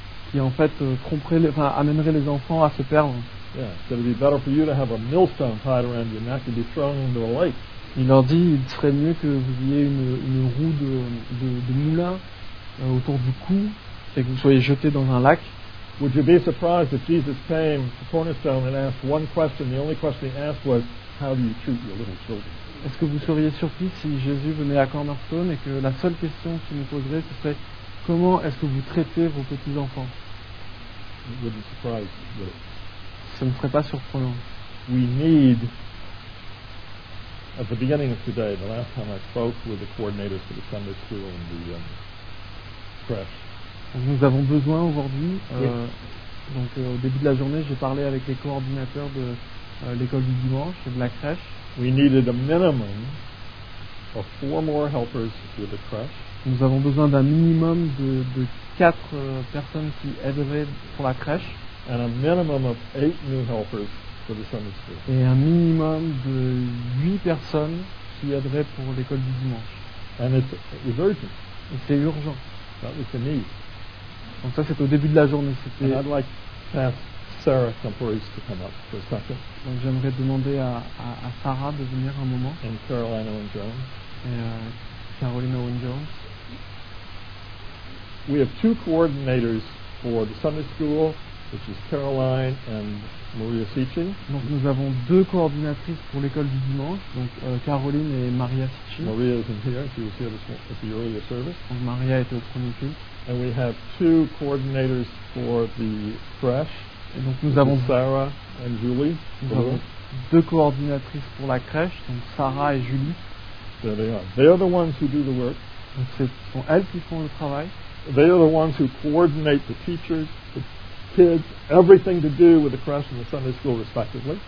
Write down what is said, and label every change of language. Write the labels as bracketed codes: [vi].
[fr] Qui en fait amèneraient les enfants à se perdre. [en] Yeah, it would be better for you to have a millstone tied around your neck and be thrown into a lake. [fr] Il leur dit, il serait mieux que vous ayez une roue de moulin autour du cou et que vous soyez jeté dans un lac. [en] Would you be surprised if Jesus came to Cornerstone and asked one question? The only question he asked was, "How do you treat your little children?" [fr] Est-ce que vous seriez surpris si Jésus venait à Cornerstone et que la seule question qu'il nous poserait ce serait, comment est-ce que vous traitez vos petits enfants? [en] It wouldn't surprise you. [fr] Ce ne serait pas surprenant. [en] We need, at the beginning of today, the last time I spoke with the coordinators for the Sunday school and the crash. [fr] Nous avons besoin aujourd'hui, au début de la journée, j'ai parlé avec les coordinateurs de l'école du dimanche et de la crèche. [en] We needed a minimum of 4 more helpers with the crèche. [fr] Nous avons besoin d'un minimum de 4 personnes qui aideraient pour la crèche. [en] And a minimum of 8 new helpers for the Sunday school. [fr] Et un minimum de 8 personnes qui aideraient pour l'école du dimanche. [en] And it's urgent. [fr] Et c'est urgent. [en] That was the need. [fr] Donc ça c'est au début de la journée. C'était. [en] And I'd like to ask Sarah Campouris to come up for a second. [fr] Donc j'aimerais demander à Sarah de venir un moment. [en] And Caroline Owen Jones. [fr] Et Caroline Owen Jones. [en] We have 2 coordinators for the Sunday school, which is Caroline and Maria Cicci. [fr] Donc nous avons 2 coordinatrices pour l'école du dimanche, donc Caroline et Maria Cicci. [en] Maria is in here. She was here this morning at the earlier service. [fr] Donc Maria était au premier culte. [en] And we have 2 coordinators for the crèche. [fr] Et donc nous avons [en] Sarah and Julie. [fr] Nous avons 2 coordinatrices pour la crèche, donc Sarah et Julie. [en] There they are. They are the ones who do the work. [fr] Donc ce sont elles qui font le travail. [en] They are the ones who coordinate the teachers, the kids, everything to do with the crèche and the Sunday school respectively.